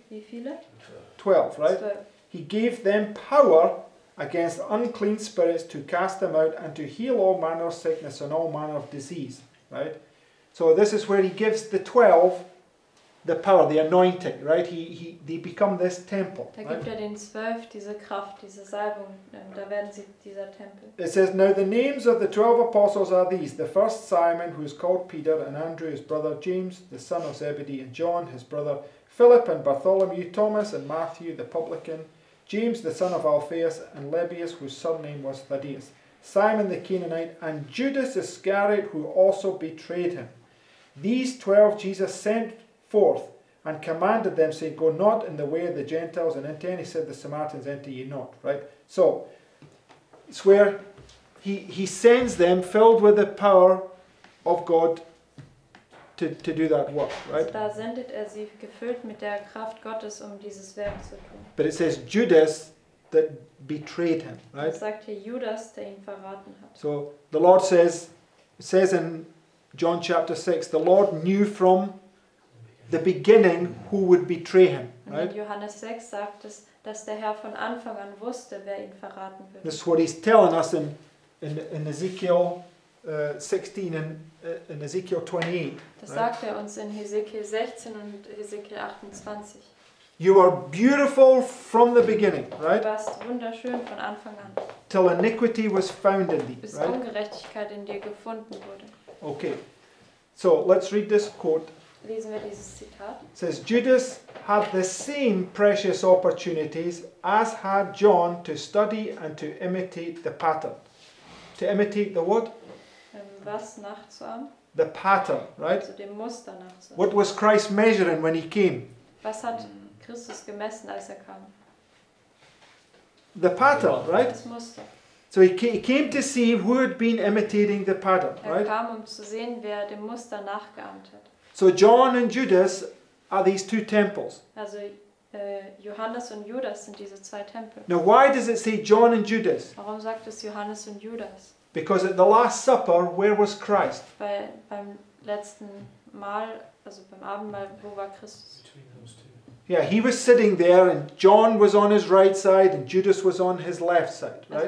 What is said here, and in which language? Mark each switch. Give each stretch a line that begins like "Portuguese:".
German: Wie viele?
English: 12, right? 12. He gave them power against unclean spirits to cast them out and to heal all manner of sickness and all manner of disease, right? So this is where he gives the 12 the power, the anointing, right? They become this temple.
German: Da gibt den 12 diese Kraft, diese Salbung, da werden sie dieser Tempel.
English: It says, now the names of the 12 apostles are these: the first Simon, who is called Peter, and Andrew, his brother, James, the son of Zebedee, and John, his brother, Philip, and Bartholomew, Thomas, and Matthew, the publican, James, the son of Alphaeus, and Lebbeus, whose surname was Thaddeus, Simon the Canaanite, and Judas Iscariot, who also betrayed him. These 12 Jesus sent forth and commanded them, saying, go not in the way of the Gentiles, and into any city of the Samaritans enter ye not. Right? So, it's where he sends them, filled with the power of God, to do that work, right?
German: Da sendet sie gefüllt mit der Kraft Gottes, dieses Werk zu tun.
English: But it says Judas that betrayed him, right?
German: Das sagt hier Judas, der ihn verraten hat.
English: So the Lord says in John chapter 6, the Lord knew from the beginning who would betray him, right?
German: In Johannes 6 sagt es, dass der Herr von Anfang an wusste, wer ihn verraten würde.
English: This is what he's telling us in Ezekiel 16 and in Ezekiel 28.
German: Das sagt uns in Ezekiel 16 und Ezekiel 28.
English: You are beautiful from the beginning, right?
German: Du warst wunderschön von Anfang an.
English: Till iniquity was found in thee,
German: right? Bis Ungerechtigkeit in dir gefunden wurde.
English: Okay. So, let's read this quote.
German: Lesen wir dieses Zitat. It
English: says, Judas had the same precious opportunities as had John to study and to imitate the pattern. To imitate the what?
German: Was nachzuahmen?
English: The pattern, right?
German: Also dem Muster nachzuahmen.
English: What was Christ measuring when he came?
German: Was hat Christus gemessen, als kam?
English: The pattern, right?
German: Das Muster.
English: So he came to see who had been imitating the pattern, right?
German: Kam, zu sehen, wer dem Muster nachgeahmt hat.
English: So John and Judas are these two temples.
German: Also Johannes und Judas sind diese zwei Tempel.
English: Now why does it say John and Judas?
German: Warum sagt es Johannes und Judas?
English: Because at the Last Supper, where was Christ?
German: Beim letzten Mal, also beim Abendmahl, wo war Christus?
English: Yeah, he was sitting there, and John was on his right side, and Judas was on his left side, right?